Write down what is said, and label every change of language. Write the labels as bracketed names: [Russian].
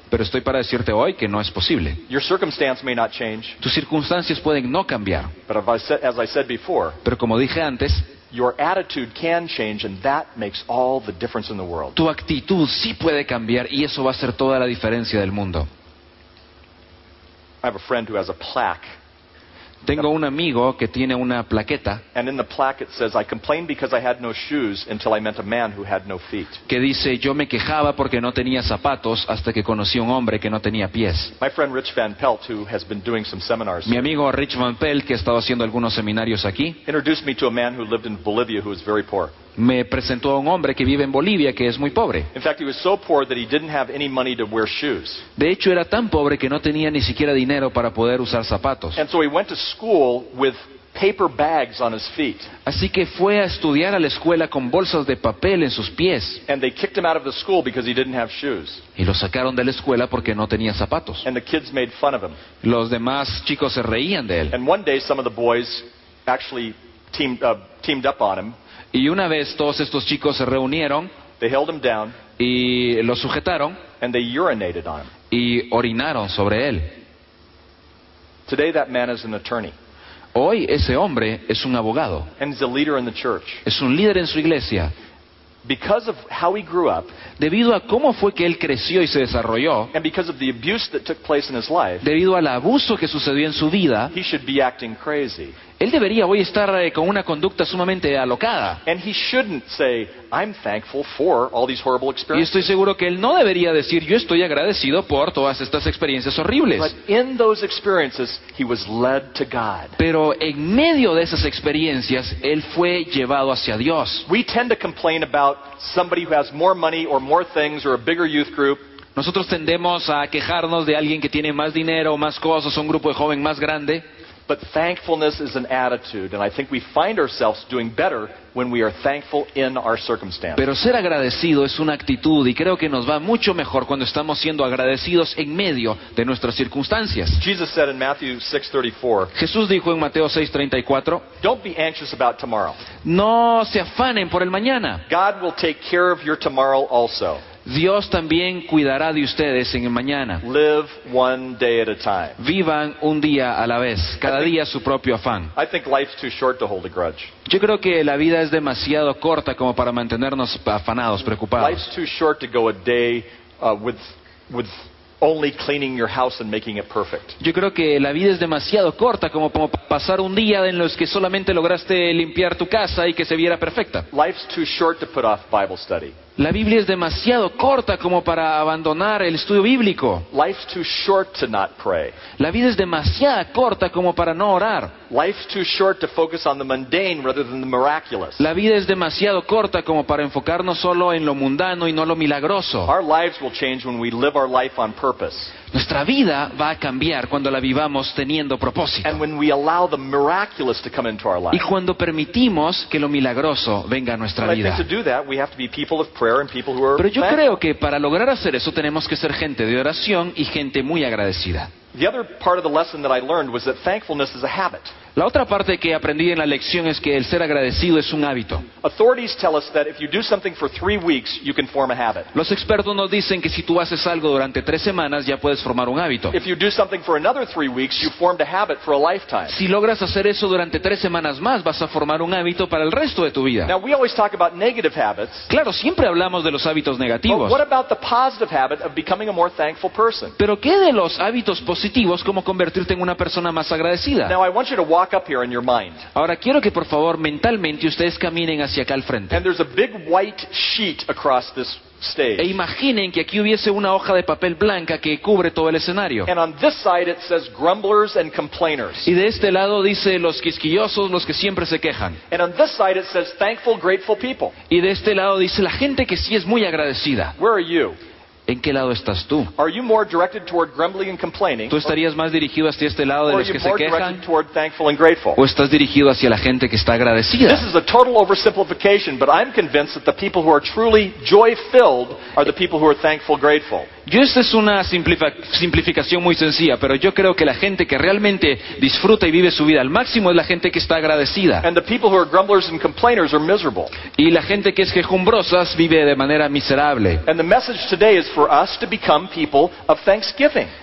[Spanish] Pero estoy para decirte hoy que no es posible. [English] Your circumstance may not change. [Spanish] Tus circunstancias pueden no cambiar. [English] But as I said before, [Spanish] pero como dije antes, [English] your attitude can change, and that makes all the difference in the world. [Spanish] Tu actitud sí puede cambiar y eso va a hacer toda la diferencia del mundo. [English] I have a friend who has a plaque. [Spanish] Tengo un amigo que tiene una plaqueta. [English] And in the plaque it says, "I complained because I had no shoes until I met a man who had no feet." [Spanish] Que dice, yo me quejaba porque no tenía zapatos hasta que conocí un hombre que no tenía pies. [English] My friend Rich Van Pelt, who has been doing some seminars. [Spanish] Mi amigo Rich Van Pelt, que ha estado haciendo algunos seminarios aquí. [English] Introduced me to a man who lived in Bolivia who was very poor. [Spanish] Me presentó a un hombre que vive en Bolivia que es muy pobre. [English] In fact, he was so poor that he didn't have any money to wear shoes. [Spanish] De hecho, era tan pobre que no tenía ni siquiera dinero para poder usar zapatos. [English] And so he went to school with paper bags on his feet. [Spanish] Así que fue a estudiar a la escuela con bolsas de papel en sus pies. [English] And they kicked him out of the school because he didn't have shoes. [Spanish] Y lo sacaron de la escuela porque no tenía zapatos. [English] And the kids made fun of him. [Spanish] Los demás chicos se reían de él. [English] And one day some of the boys actually teamed up on him. [Spanish] Y una vez todos estos chicos se reunieron, [English] they held him down, [Spanish] y lo sujetaron, [English] and they urinated on him. [Spanish] Y orinaron sobre él. [English] Today that man is an attorney. [Spanish] Hoy ese hombre es un abogado. [English] And he's a leader in the church. [Spanish] Es un líder en su iglesia. [English] Because of how he grew up, [Spanish] debido a cómo fue que él creció y se desarrolló, [English] and because of the abuse that took place in his life, [Spanish] debido al abuso que sucedió en su vida, [English] he should be acting crazy. [Spanish] Él debería hoy estar con una conducta sumamente alocada. [English] And he shouldn't say, "I'm thankful for all these horrible experiences." [Spanish] Y estoy seguro que él no debería decir, "Yo estoy agradecido por todas estas experiencias horribles." [English] But in those experiences, he was led to God. [Spanish] Pero en medio de esas experiencias, él fue llevado hacia Dios. [English] We tend to complain about somebody who has more money or more things or a bigger youth group. [Spanish] Nosotros tendemos a quejarnos de alguien que tiene más dinero, más cosas, un grupo de joven más grande. [English] But thankfulness is an attitude, and I think we find ourselves doing better when we are thankful in our circumstances. [Spanish] Pero ser agradecido es una actitud, y creo que nos va mucho mejor cuando estamos siendo agradecidos en medio de nuestras circunstancias. [English] Jesus said in Matthew 6:34. [Spanish] Jesús dijo en Mateo 6:34. [English] Don't be anxious about tomorrow. [Spanish] No se afanen por el mañana. [English] God will take care of your tomorrow also. [Spanish] Dios también cuidará de ustedes en el mañana. [English] Live one day at a time. [Spanish] Vivan un día a la vez, cada día su propio afán. [English] I think life's too short to hold a grudge. [Spanish] Yo creo que la vida es demasiado corta como para mantenernos afanados, preocupados. [English] Life's too short to go a day with only cleaning your house and making it perfect. [Spanish] Yo creo que la vida es demasiado corta como para pasar un día en los que solamente lograste limpiar tu casa y que se viera perfecta. [English] Life's too short to put off Bible study. [Spanish] La Biblia es demasiado corta como para abandonar el estudio bíblico. [English] Life's too short to not pray. [Spanish] La vida es demasiado corta como para no orar. [English] Life's too short to focus on the mundane rather than the miraculous. [Spanish] La vida es demasiado corta como para enfocarnos solo en lo mundano y no lo milagroso. [English] Our lives will change when we live our life on purpose. purpose. [Spanish] Nuestra vida va a cambiar cuando la vivamos teniendo propósito. [English] And when we allow the miraculous to come into our life. [Spanish] Y cuando permitimos que lo milagroso venga a nuestra vida. [English] To do that, we have to be people of prayer and people who are. [Spanish] Pero yo creo que para lograr hacer eso tenemos que ser gente de oración y gente muy agradecida. [English] The other part of the lesson that I learned was that thankfulness is a habit. [Spanish] La otra parte que aprendí en la lección es que el ser agradecido es un hábito. [English] Authorities tell us that if you do something for 3 weeks, you can form a habit. [Spanish] Los expertos nos dicen que si tú haces algo durante 3 semanas, ya puedes formar un hábito. [English] If you do something for another 3 weeks, you formed a habit for a lifetime. [Spanish] Si logras hacer eso durante 3 semanas más, vas a formar un hábito para el resto de tu vida. [English] Now we always talk about negative habits. [Spanish] Claro, siempre hablamos de los hábitos negativos. [English] But what about the positive habit of becoming a more thankful person? [Spanish] Pero ¿qué de los hábitos positivos como convertirte en una persona más agradecida? [English] Now I want you to walk up here in your mind. [Spanish] Ahora quiero que por favor mentalmente ustedes caminen hacia acá al frente. [English] And there's a big white sheet across this stage. [Spanish] E imaginen que aquí hubiese una hoja de papel blanca que cubre todo el escenario. [English] And on this side it says grumblers and complainers. [Spanish] Y de este lado dice los quisquillosos, los que siempre se quejan. [English] And on this side it says thankful, grateful people. [Spanish] Y de este lado dice la gente que sí es muy agradecida. [English] Where are you? [Spanish] ¿En qué lado estás tú? [English] Are you more directed toward grumbling and complaining? [Spanish] ¿Tú estarías más dirigido hacia este lado de los que se quejan? [English] Or are you more directed toward thankful and grateful? [Spanish] ¿O estás dirigido hacia la gente que está agradecida? [English] This is a total oversimplification, but I'm convinced that the people who are truly joy-filled are the people who are thankful, grateful. [Spanish] Yo, esta es una simplificación muy sencilla, pero yo creo que la gente que realmente disfruta y vive su vida al máximo es la gente que está agradecida. [English] And the people who are grumblers and complainers are miserable. [Spanish] Y la gente que es quejumbrosa vive de manera miserable. [English] And the message today is for us to become people of thanksgiving.